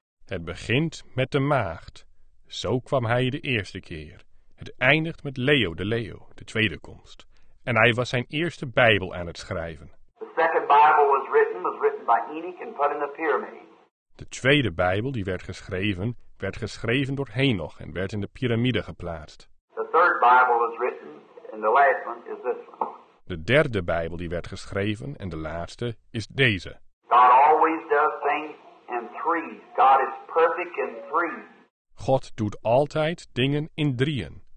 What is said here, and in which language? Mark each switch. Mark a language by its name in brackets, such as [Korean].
[Dutch] Het begint met de maagd. Zo kwam hij de eerste keer. Het eindigt met Leo de Leeuw, de tweede komst. En hij was zijn eerste Bijbel aan het schrijven. [English] The second Bible was written by Enoch and put in the pyramid. [Dutch] De tweede Bijbel die werd geschreven door Henoch en werd in de piramide geplaatst. [English] The third Bible was written and the last one is this one. [Dutch] De derde Bijbel die werd geschreven en de laatste is deze. [English] God always does things in threes. God is perfect in threes. [Dutch] God doet altijd dingen in drieën.